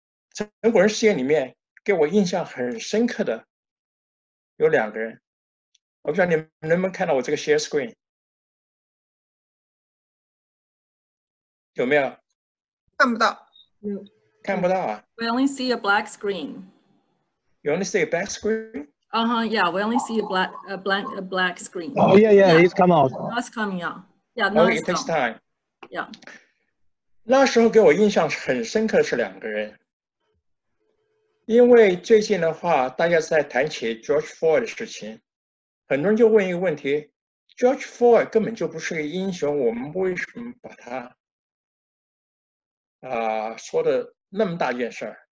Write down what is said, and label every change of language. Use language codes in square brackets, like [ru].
[zh] 陈果仁事件里面给我印象很深刻的有两个人，我不知道你们能不能看到我这个 share screen， 有没有？看不到。看不到啊。 [en] We only see a black screen. You only see a black screen? We only see a black screen. Oh, yeah, it's come out. That's coming out. Yeah, it takes time. Yeah. [zh] 那时候给我印象很深刻的是两个人。因为最近的话，大家在谈起 George Floyd 的事情，很多人就问一个问题， George Floyd 根本就不是个英雄，我们为什么把他说的那么大件事？